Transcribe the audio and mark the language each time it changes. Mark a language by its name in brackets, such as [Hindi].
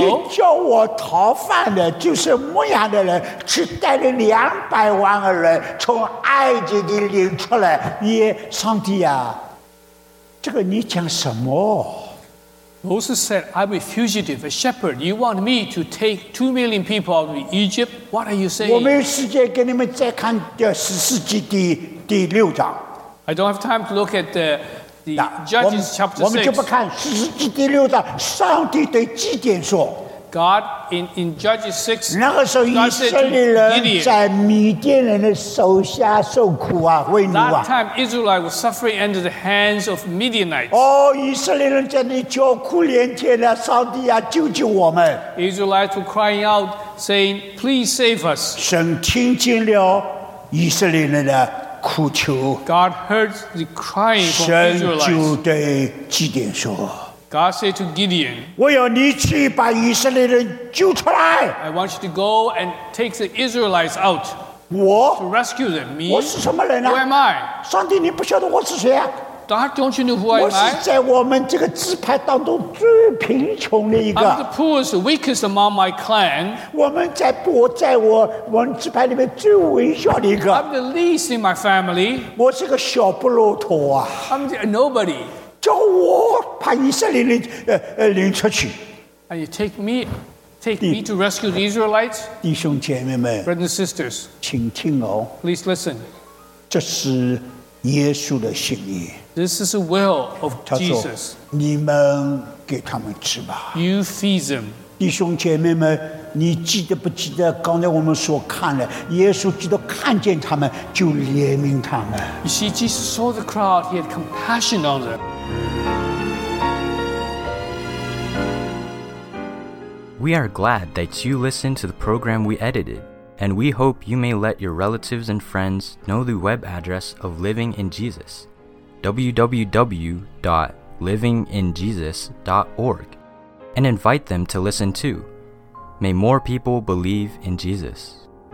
[Chinese] 你叫我逃犯的，就是牧羊的人，去带领两百万个人从埃及里领出来。耶，上帝啊，这个你讲什么？ [English] Moses said, I'm a fugitive, a shepherd. You want me to take 2 million people out of Egypt? What are you saying? [Chinese] 我没有时间给你们再看第十四节第六章。 [English] I don't have time to look at the Judges chapter 6. [Chinese] 我们就不看十四节第六章，上帝对基甸说。 [English] God, in Judges 6, [Chinese] 那个时候以色列人在米甸人的手下受苦啊，为奴啊。 [English] That time, Israelite was suffering under the hands of Midianites. [Chinese] 哦，以色列人在那里叫苦连天啊，上帝啊，救救我们。 [English] Israelites were crying out, saying, please save us. [Chinese] 神听见了以色列人的苦求。 [English] God heard the crying of Israelites. [Chinese] 神就对基甸说。 [English] God said to Gideon, [Chinese] 我要你去把以色列人救出来。 [English] I want you to go and take the Israelites out. [Chinese] 我? [English] To rescue them. Me? [Chinese] 我是什么人啊? [English] Who am I? [Chinese] 上帝你不晓得我是谁啊? [English] God, don't you know who I am? [Chinese] 我是在我们这个支派当中最贫穷的一个。 [English] I'm the poorest, the weakest among my clan. [Chinese] 我们支派里面最微小的一个。 [English] I'm the least in my family. [Chinese] 我是个小不骆驼啊。 [English] I'm a nobody. [Chinese] 叫我把以色列人领出去。 [English] And you take me to rescue the Israelites? [Chinese] 弟兄姐妹们 [English] ，brothers and sisters， [Chinese] 请听哦。 [English] Please listen。 [Chinese] 这是耶稣的心意。 [English] This is the will of Jesus。 [Chinese] 你们给他们吃吧。 [English] You feed them。 [Chinese] 弟兄姐妹们，你记得不记得刚才我们所看的？耶稣基督看见他们就怜悯他们。 [English] You see, Jesus saw the crowd. He had compassion on them. We are glad that you listened to the program we edited, and we hope you may let your relatives and friends know the web address of Living in Jesus, www.livinginjesus.org, and invite them to listen too. May more people believe in Jesus.